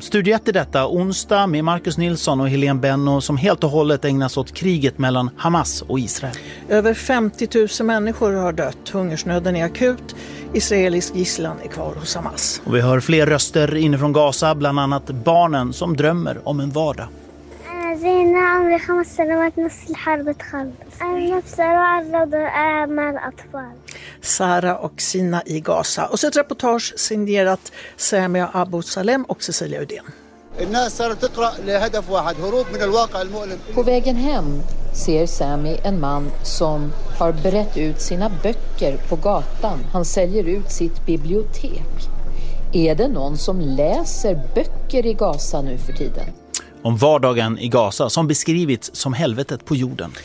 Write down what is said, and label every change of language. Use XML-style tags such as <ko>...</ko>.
<sv>Studio 1 i detta onsdag med Marcus Nilsson och Helene Benno som helt och hållet ägnas åt kriget mellan Hamas och Israel. Över 50 000 människor har dött. Hungersnöden är akut. Israelisk gisslan är kvar hos Hamas. Och vi hör fler röster inifrån Gaza, bland annat barnen som drömmer om en vardag.</sv> <ar>زين عمري 5 سنوات نص الحرب تخلص نفس الوضع مع الاطفال</ar> <sv>Sara och Sina i Gaza och sitt reportage signerat Sami Abu Salem och Cecilia Uden.</sv> <ar>الناس صارت تقرا لهدف واحد هروب من الواقع المؤلم.</ar> <sv>På vägen hem ser Sami en man som har brett ut sina böcker på gatan. Han säljer ut sitt bibliotek. Är det någon som läser böcker i Gaza nu för tiden? Om vardagen i Gaza som beskrivits som helvetet på jorden.</sv>